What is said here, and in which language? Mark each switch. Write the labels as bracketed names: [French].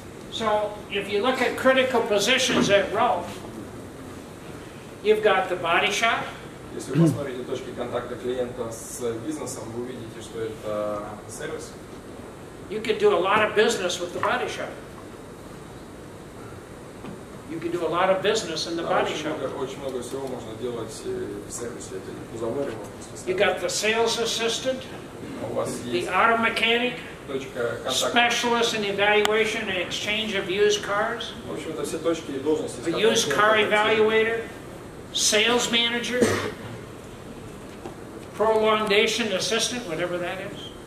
[English] So if you look at critical positions at Rolf, you've got the body shop. [Russian] Если вы посмотрите точки контакта клиента с бизнесом, вы увидите, что это сервис. [English] You could do a lot of business with the body shop. You could do a lot of business in the body shop. [Russian] Очень много всего можно делать в сервисе. [English] You got the sales assistant, the auto mechanic, specialist in evaluation and exchange of used cars, the used car evaluator, sales manager, prolongation assistant, whatever that is.